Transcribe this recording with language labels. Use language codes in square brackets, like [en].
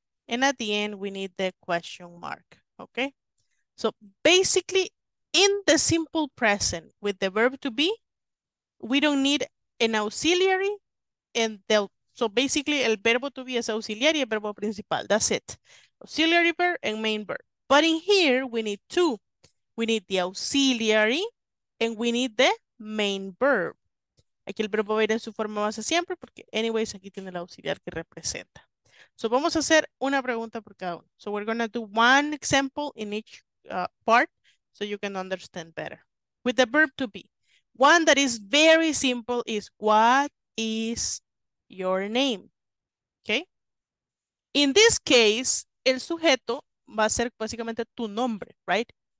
[en] And at the end, we need the question mark, okay? So basically, in the simple present with the verb to be, we don't need an auxiliary, and so basically, [es] el verbo to be es auxiliary, el verbo principal, [en] that's it. Auxiliary verb and main verb. But in here, we need two. We need the auxiliary, and we need the main verb. [es] Aquí el verbo va a ir en su forma base siempre porque anyways aquí tiene el auxiliar que representa. So vamos a hacer una pregunta por cada uno. [en] So we're going to do one example in each part so you can understand better. With the verb to be. One that is very simple is what is your name? [es] Okay? [en] In this case, [es] el sujeto va a ser básicamente tu nombre, right?